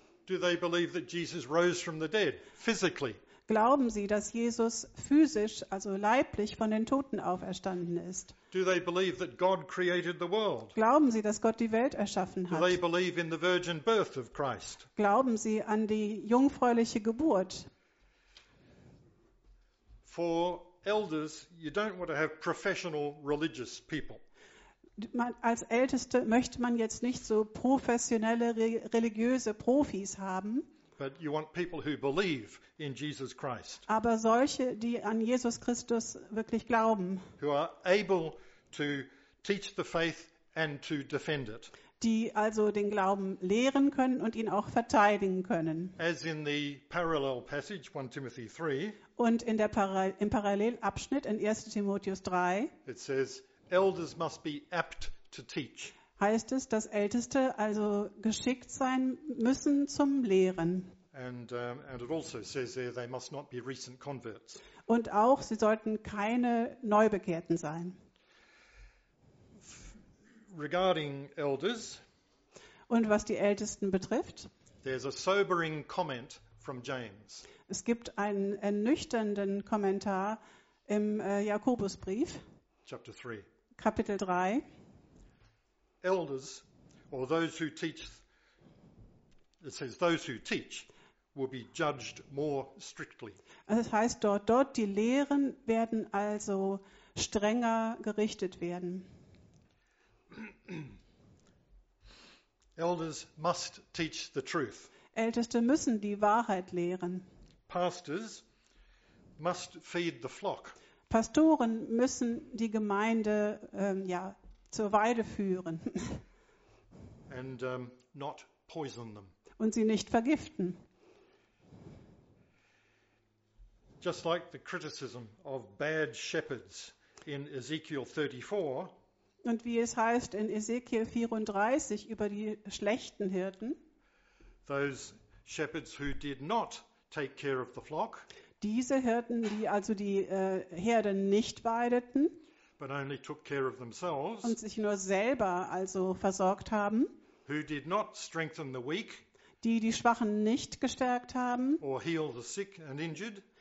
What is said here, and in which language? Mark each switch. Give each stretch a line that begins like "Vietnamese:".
English: Do they believe that Jesus rose from the dead, physically?
German: Glauben Sie, dass Jesus physisch, also leiblich, von den Toten auferstanden ist?
English: Do they believe that God created the world?
German: Glauben Sie, dass Gott die Welt erschaffen hat?
English: Do they believe in the virgin birth of Christ?
German: Glauben Sie an die jungfräuliche Geburt?
English: For elders, you don't want to have professional religious people.
German: Als Älteste möchte man jetzt nicht so professionelle religiöse Profis haben.
English: But you want people who believe in Jesus Christ.
German: Aber solche, die an Jesus Christus wirklich glauben.
English: Who are able to teach the faith and to defend it.
German: die also den Glauben lehren können und ihn auch verteidigen können.
English: As in the parallel passage, 1 Timothy 3,
German: und in der im Parallelabschnitt in 1. Timotheus 3
English: it says, elders must be apt to teach.
German: Heißt es, dass Älteste also geschickt sein müssen zum Lehren.
English: And it also says there they must not be recent converts.
German: Und auch, sie sollten keine Neubekehrten sein.
English: Regarding elders,
German: und was die Ältesten betrifft,
English: there's a sobering comment from James.
German: Es gibt einen ernüchternden Kommentar im Jakobusbrief,
English: Chapter 3.
German: Kapitel 3.
English: Elders, or those who teach, it says those who teach, will be judged more strictly.
German: Also es heißt dort die Lehren werden also strenger gerichtet werden.
English: Elders must teach the truth.
German: Älteste müssen die Wahrheit lehren.
English: Pastors must feed the flock.
German: Pastoren müssen die Gemeinde zur Weide führen.
English: And not poison them.
German: Und sie nicht vergiften.
English: Just like the criticism of bad shepherds in Ezekiel 34.
German: Und wie es heißt in Ezekiel 34 über die schlechten Hirten.
English: Those shepherds who did not take care of the flock.
German: Diese Hirten, die also die Herde nicht weideten.
English: But only took care of themselves.
German: Und sich nur selber also versorgt haben.
English: Who did not strengthen the weak.
German: Die Schwachen nicht gestärkt haben.
English: Or heal the sick and injured.